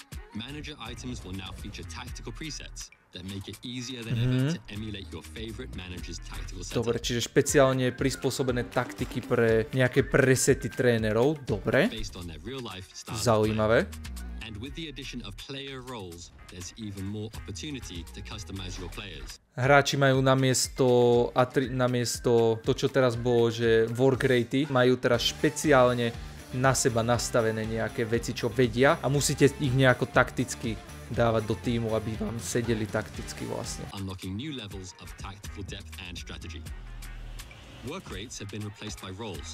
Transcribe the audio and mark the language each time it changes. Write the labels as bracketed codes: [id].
[en] Manager items will now feature tactical presets that make it easier than ever to emulate your favorite manager's tactical setup. [sk] Dobre, čiže špeciálne prispôsobené taktiky pre nejaké presety trénerov. Dobre. Zaujímavé. [en] And with the addition of player roles, there's even more opportunity to customize your players. [sk] Hráči majú namiesto to, čo teraz bolo, že work rate, majú teraz špeciálne na seba nastavené nejaké veci, čo vedia a musíte ich nejako takticky dávať do týmu, aby vám sedeli takticky vlastne. [en] Unlocking new levels of tactical depth and strategy. Work rates have been replaced by roles.